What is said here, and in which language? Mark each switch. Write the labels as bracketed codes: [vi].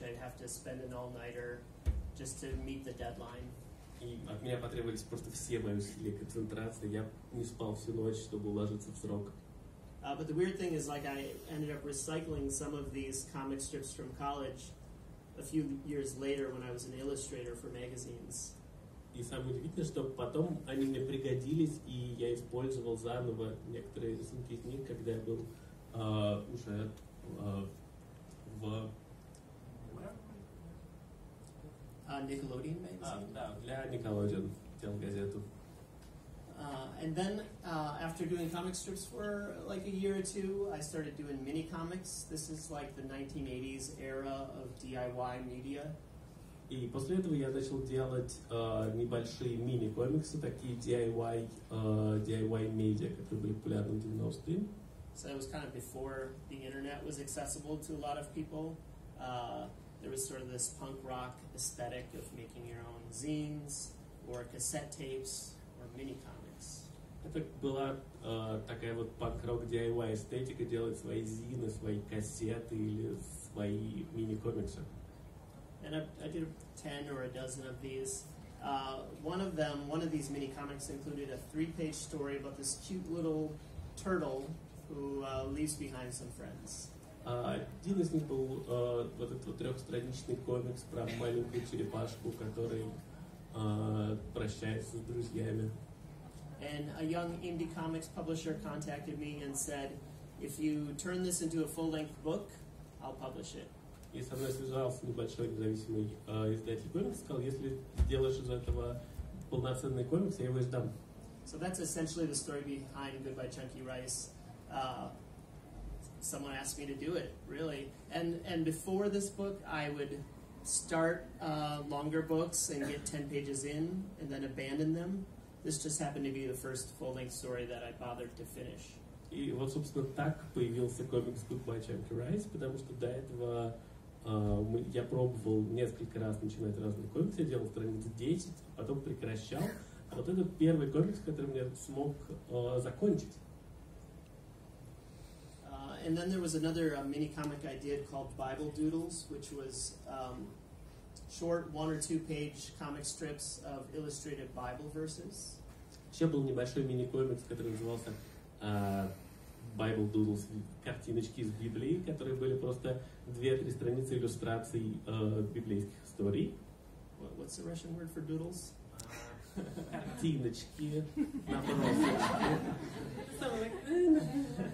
[en] I'd have to spend an all-nighter just to meet the deadline. [ru] И от меня потребовались просто все мои усилия, концентрация. Я не спал всю ночь, чтобы уложиться в срок. [en] But the weird thing is like I ended up recycling some of these comic strips from college a few years later when I was an illustrator for magazines. [ru] И самое удивительное, что потом они мне пригодились, и я использовал заново некоторые рисунки из них, когда я был уже в... [en] Nickelodeon magazine? [ru] Да, для Nickelodeon, делал газету. [en] And then, after doing comic strips for like a year or two, I started doing mini comics. This is like the 1980s era of DIY media. [ru] И после этого я начал делать небольшие мини комиксы, такие DIY медиа, которые были популярны в 90-е. [en] So it was kind of before the internet was accessible to a lot of people. There was sort of this punk rock aesthetic of making your own zines or cassette tapes or mini comics. [ru] Это была такая вот панк-рок DIY эстетика, делать свои зины, свои кассеты или свои мини-комиксы. [en] And I did 10 or a dozen of these. One of these mini-comics included a three-page story about this cute little turtle who leaves behind some friends. [ru] Один из них был вот этот вот трехстраничный комикс про маленькую черепашку, который прощается с друзьями. [en] And a young indie comics publisher contacted me and said, if you turn this into a full-length book, I'll publish it. [ru] И со мной связался небольшой независимый издатель комикс, сказал, если сделаешь из этого полноценный комикс, я его издам. [en] So that's essentially the story behind Goodbye Chunky Rice. Someone asked me to do it, really. And before this book, I would start longer books and get 10 pages in and then abandon them. This just happened to be the first full-length story that I bothered to finish. [ru] И вот, собственно, так появился комикс Goodbye Chunky Rice, потому что до этого я пробовал несколько раз начинать разные комиксы, я делал страниц 10, а потом прекращал. А вот это первый комикс, который мне смог закончить. [en] And then there was another mini-comic I did called Bible Doodles, which was short, one- or two-page comic strips of illustrated Bible verses. [ru] Еще был небольшой мини-комикс, который назывался Bible Doodles, картиночки из Библии, которые были просто 2-3 страницы иллюстраций библейских историй. [en] What's the Russian word for doodles? [ru] Картиночки, набросочки.